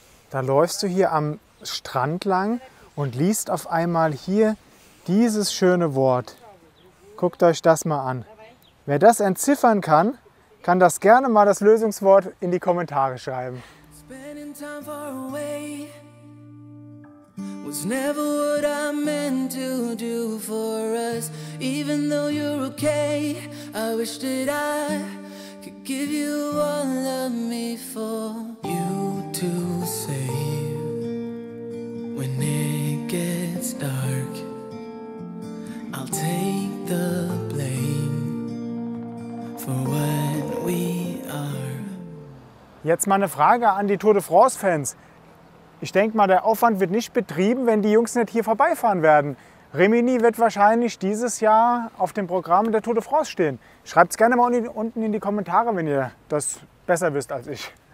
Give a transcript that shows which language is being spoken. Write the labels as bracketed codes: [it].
[de] Da läufst du hier am Strand lang und liest auf einmal hier dieses schöne Wort. Guckt euch das mal an. Wer das entziffern kann, kann das gerne mal das Lösungswort in die Kommentare schreiben. [en] Spending time far away was never what I meant to do for us. Even though you're okay, I wish that I could give you all of me for you to save when it gets dark. I'll take the blame for what we are. [de] Jetzt mal eine Frage an die Tour de France Fans. Ich denke mal, der Aufwand wird nicht betrieben, wenn die Jungs nicht hier vorbeifahren werden. Rimini wird wahrscheinlich dieses Jahr auf dem Programm der Tour de France stehen. Schreibt es gerne mal unten in die Kommentare, wenn ihr das besser wisst als ich.